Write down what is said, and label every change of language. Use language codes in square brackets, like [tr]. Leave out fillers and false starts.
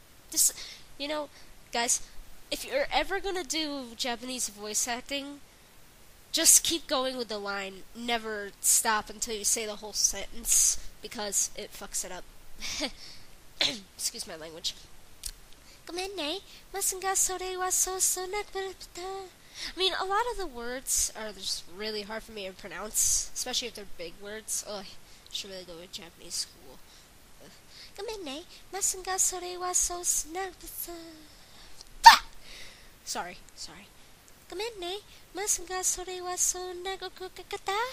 [en] Just, you know, guys, if you're ever gonna do Japanese voice acting, just keep going with the line. Never stop until you say the whole sentence, because it fucks it up. Excuse my language. [ja] ごめんね。まさかそれはそうそうなくなった。 [en] I mean, a lot of the words are just really hard for me to pronounce, especially if they're big words. Oh, I should really go to Japanese school. [ja] ごめんね。まさかそれはそうそうなくなった。 [en] Sorry. [ja] ごめんね。まさかそれはそうなくなった。